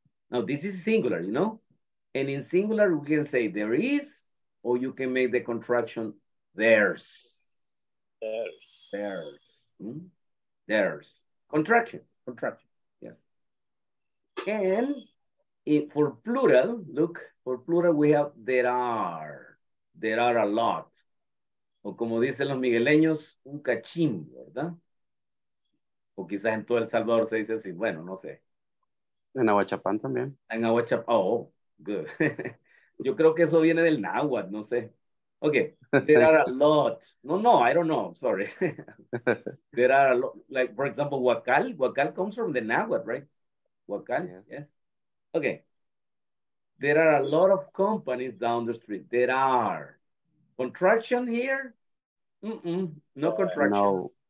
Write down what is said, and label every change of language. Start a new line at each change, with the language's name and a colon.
English: Now, this is singular, you know? And in singular, we can say there is, or you can make the contraction there's. There's. There's. Hmm? There's. Contraction. Contraction. Yes. And in, for plural, look, for plural, we have there are. There are a lot.
Spanish: O como dicen los migueleños, un cachín, ¿verdad? O quizás en todo El Salvador se dice así, bueno, no sé. En Aguachapán también. En Aguachapán,
English: oh, good.
Spanish: Yo creo que eso viene del náhuatl, no sé.
English: Ok, there are a lot. No, no, I don't know, sorry. There are a lot, like, for example, huacal. Huacal comes from the náhuatl, right? Huacal, yes. Ok. There are a lot of companies down the street. There are. Contraction here? Mm-mm, no contraction.